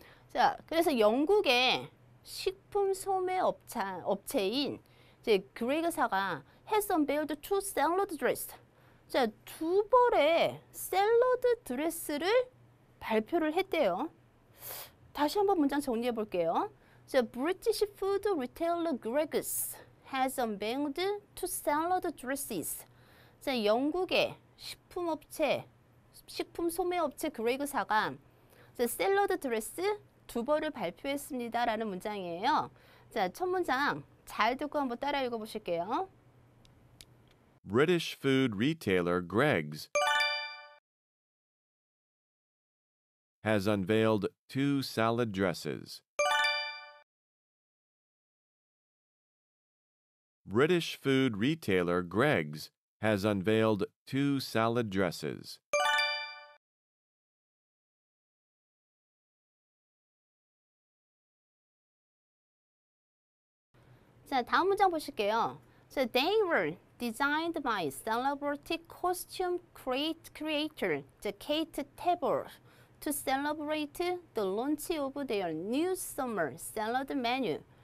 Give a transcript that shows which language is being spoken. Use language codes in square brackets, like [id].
[ko] 자, 그래서 영국의 식품 소매 업체인 이제 그레그사가 [en] has unveiled two salad dresses. [ko] 자, 두 벌의 샐러드 드레스를 발표를 했대요. 다시 한번 문장 정리해 볼게요. [en] The British food retailer Greggs has unveiled two salad dresses. [ko] 자, 영국의 식품업체, 식품 소매업체 그레그사가 the salad dress 두 벌을 발표했습니다. 라는 문장이에요. 자, 첫 문장 잘 듣고 한번 따라 읽어 보실게요. [en] British food retailer Greggs has unveiled two salad dresses. British food retailer Greggs has unveiled two salad dresses. [ko] So, 다음 문장 보실게요. [en] So, they were designed by celebrity costume creator Kate Tabor to celebrate the launch of their new summer salad menu.